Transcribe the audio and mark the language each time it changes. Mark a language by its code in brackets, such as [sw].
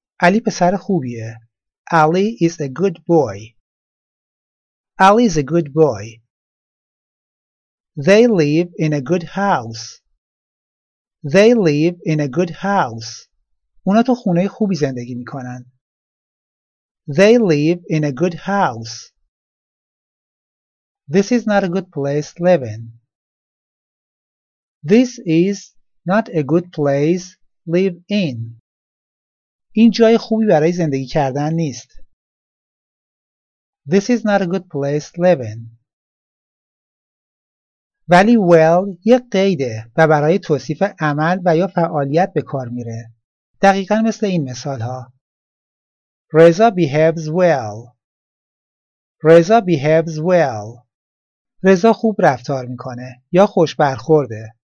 [fa] علی پسر خوبیه. [en] Ali is a good boy. Ali is a good boy. They live in a good house. They live in a good house. [fa] اونا تو خونه خوبی زندگی میکنن. [en] They live in a good house. This is not a good place to live in. This is not a good place to live in. [fa] این جای خوبی برای زندگی کردن نیست. [en] This is not a good place to live in. [fa] ولی well یک قیده و برای توصیف عمل و یا فعالیت به کار میره. دقیقا مثل این مثال ها. رضا [en] behaves well. Reza behaves well. [fa] رضا خوب رفتار میکنه یا خوش برخورده.